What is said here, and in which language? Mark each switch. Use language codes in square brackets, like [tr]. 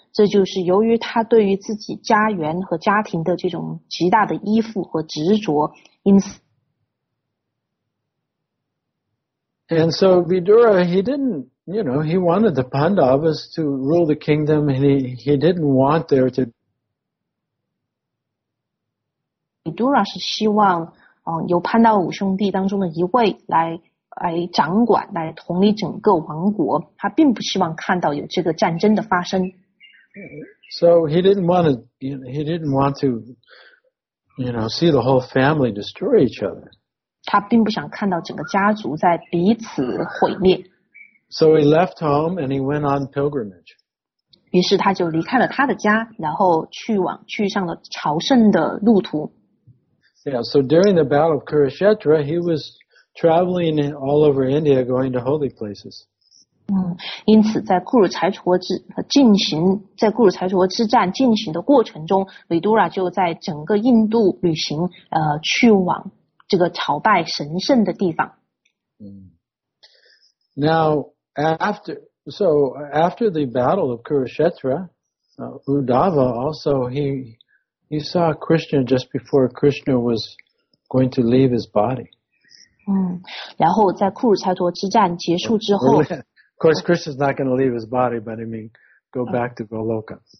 [zh] 这就是由于他对于自己家园和家庭的这种极大的依附和执着，因此。 [en] And so Vidura, he didn't, you know, he wanted the Pandavas to rule the kingdom, and he didn't want there to. [zh] Vidura 是希望，由潘达五兄弟当中的一位来掌管，来统领整个王国。他并不希望看到有这个战争的发生。 [en] So he didn't want to, you know, see the whole family destroy each other. [zh] 他并不想看到整个家族在彼此毁灭。 [en] So he left home and he went on pilgrimage. [zh] 于是他就离开了他的家，然后去上了朝圣的路途。 [en] Yeah, so during the battle of Kurukshetra, he was traveling all over India, going to holy places. [zh] 因此在库鲁柴陀之战进行的过程中，维杜拉就在整个印度旅行，去往。这个朝拜神圣的地方。 [en] Now, after the battle of Kurukshetra, Uddhava also, he saw Krishna just before Krishna was going to leave his body. [zh] 然后在库鲁柴陀之战结束之后。 [en] Of course, Krishna's not going to leave his body, but I mean, go back to Goloka.